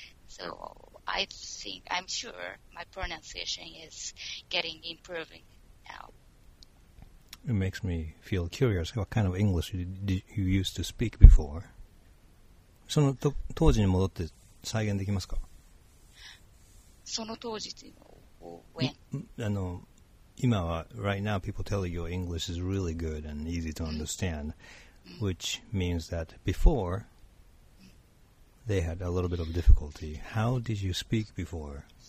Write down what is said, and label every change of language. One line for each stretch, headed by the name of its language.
English: So I think, I'm sure my pronunciation is getting improving now. It makes me feel curious. What kind of English did you used to speak before?
Japanese: その当時に戻って再現できますか？その当時というのは
English: when?
Japanese: あの今は
English: right now people tell you your English is really good and easy to understand, which means that before they had a little bit of difficulty. How did you speak before?